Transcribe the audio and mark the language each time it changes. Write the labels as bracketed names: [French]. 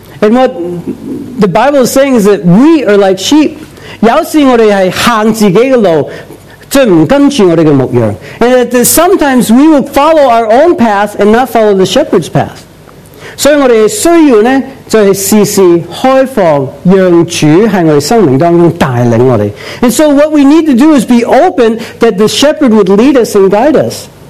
[English] And what the Bible is saying is that we are like sheep. [Chinese] 有时我们是行自己的路，就不跟着我们的牧羊。 [English] And that sometimes we will follow our own path and not follow the shepherd's path. [Chinese] 所以我们需要呢，就是时时开放，让主在我们生命当中带领我们。 [English] And so what we need to do is be open that the shepherd would lead us and guide us.